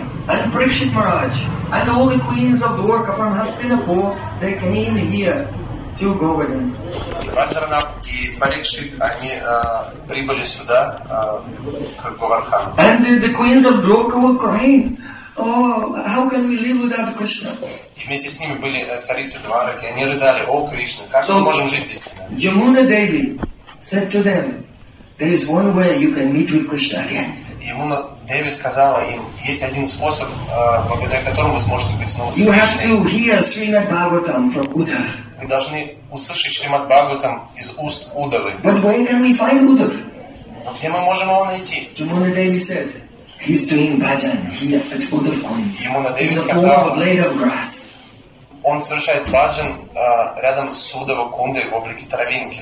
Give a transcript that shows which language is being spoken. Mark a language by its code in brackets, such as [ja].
[en] And Prikshit Maharaj and all the queens of Dwarka from Hastinapur, they came here to Govardhan. [ru] Ваджранаб и Парикшит они прибыли сюда к Говардхан. [en] And the queens of Dwarka were crying, "Oh, how can we live without Krishna?" [ru] И вместе с ними были царицы Двараки, они рыдали: "О Кришна, как мы можем жить без тебя?" [en] Jamuna Devi said to them, "There is one way you can meet with Krishna again." [ru] Jamuna Devi сказала им: есть один способ, благодаря которому вы сможете быть снова [en] You have to hear Srimad Bhagavatam from Uddhav. [ru] Вы должны услышать Шримад Бхагаватам из уст Удавы. [en] But where can we find Uddhav? [ru] Но где мы можем его найти? [en] Jamuna Devi said, he's doing bhajan here at Udhavkund. Jamuna Devi [ru] сказала, [en] in the blade of grass. [ru] Он совершает бхаджан рядом с Удавакундой в облике травинки.